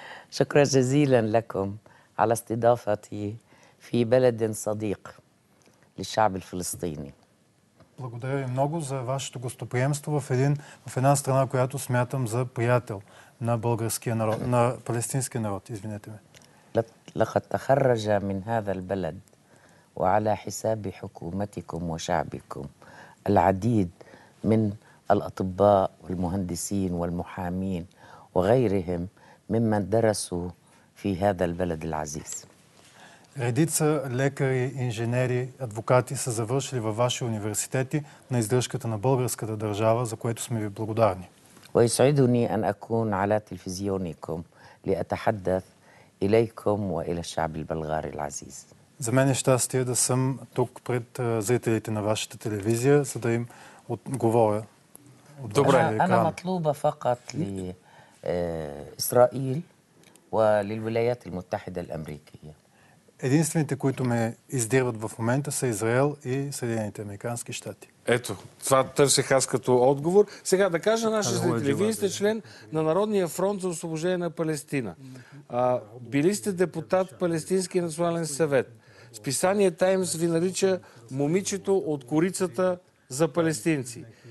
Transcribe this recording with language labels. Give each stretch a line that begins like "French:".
Arabic: شكرا جزيلا لكم على استضافتي في بلد صديق للشعب الفلسطيني.
Bulgarian: Благодаря ви много за вашето гостоприемство в един в една страна, която смятам за приятел на българския народ, на палестинския народ, извинете ме.
Arabic: لقد تخرج من هذا البلد وعلى حساب حكومتكم وشعبكم العديد من الاطباء والمهندسين والمحامين وغيرهم ممن درسوا في هذا البلد العزيز.
Bulgarian: Редица лекари, инженери, адвокати са завършили във ваши университети на издръжката на българската държава, за което сме ви благодарни.
Arabic: ويسعدني ان اكون على تلفزيونكم لاتحدث اليكم والى الشعب البلغاري العزيز.
Bulgarian: За мен е щастие да съм тук пред зрителите на вашата телевизия, за да им отговоря. Добре,
Arabic: انا مطلوبه فقط ل إسرائيل وللولايات المتحدة الأمريكية.
Bulgarian: Единствените, които ме издирват в момента, са Израел и Съединените американски щати. Ето, това търсих аз като отговор. Сега да кажа нашите зрители, вие сте член на Народния фронт за освобождение на Палестина. Били сте депутат в Палестинския национален съвет. Списание Таймс ви нарича момичето от корицата за палестинци.